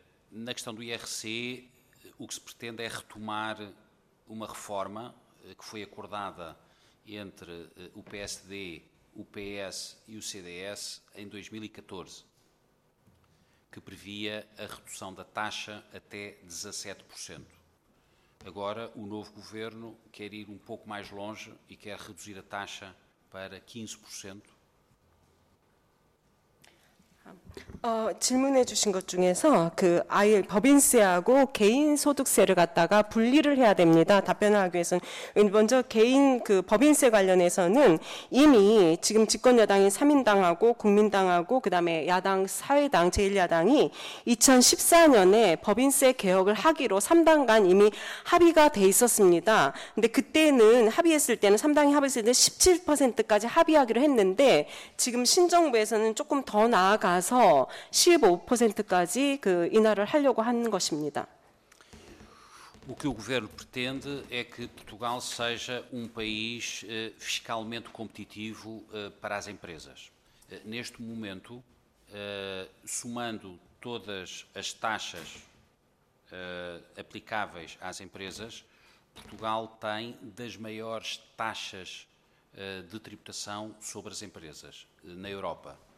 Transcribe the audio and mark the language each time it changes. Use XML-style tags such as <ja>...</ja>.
<pt>Na questão do IRC, o que se pretende é retomar uma reforma que foi acordada entre o PSD, o PS e o CDS em 2014, que previa a redução da taxa até 17%. Agora, o novo governo quer ir um pouco mais longe e quer reduzir a taxa para 15%.</pt> <ko>질문해 주신 것 중에서 그 아예 법인세하고 개인소득세를 갖다가 분리를 해야 됩니다. 답변하기 위해서는 먼저 개인 그 법인세 관련해서는 이미 지금 집권여당인 3인당하고 국민당하고 그 다음에 야당 사회당 제1야당이 2014년에 법인세 개혁을 하기로 3당 간 이미 합의가 돼 있었습니다. 근데 그때는 합의했을 때는 3당이 합의했을 때는 17%까지 합의하기로 했는데 지금 신정부에서는 조금 더 나아가서 15%까지 그 인하를 하려고 하는 것입니다.</ko> <pt>O que o governo pretende é que Portugal seja país fiscalmente competitivo para as empresas. Neste momento, somando todas as taxas aplicáveis às empresas, Portugal tem das maiores taxas de tributação sobre as empresas na Europa.</pt>